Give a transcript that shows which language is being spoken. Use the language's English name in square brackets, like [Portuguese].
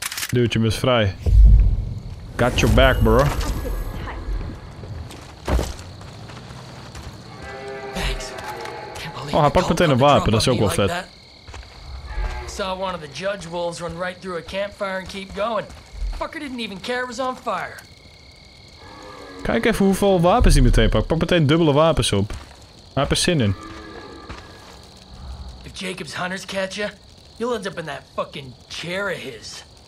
[Dutch] Duwtje mis vrij. [English] Got your back, bro. [Dutch] Oh, hij pakt meteen een wapen. Dat is ook wel vet. [English] Saw one of the judge wolves run right through a campfire and keep going. Fucker didn't even care it was on fire. [Dutch] Kijk even hoeveel wapens hij meteen pakt. Pak meteen dubbele wapens op. Hij heeft er zin in. [English] If Jacob's hunters catch you, you'll end up in that fucking chair of his.